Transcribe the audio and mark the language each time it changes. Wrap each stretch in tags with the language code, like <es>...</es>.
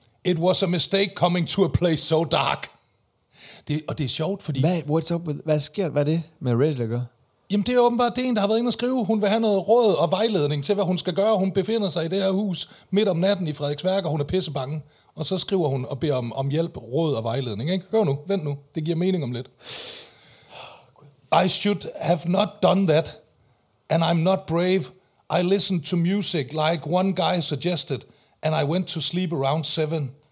<en>It was a mistake coming to a place so dark.</en> <da>Det er sjovt, fordi... Hvad sker? Hvad er det med Reddit, der gør? Jamen, det er åbenbart det en, der har været inde og skrive. Hun vil have noget råd og vejledning til, hvad hun skal gøre. Hun befinder sig i det her hus midt om natten i Frederiksværk, og hun er pissebange. Og så skriver hun og beder om hjælp, råd og vejledning. Ikke? Hør nu, vent nu. Det giver mening om lidt.</da> <en>I should have not done that, and I'm not brave. I listened to music like one guy suggested, and I went to sleep around 7.</en>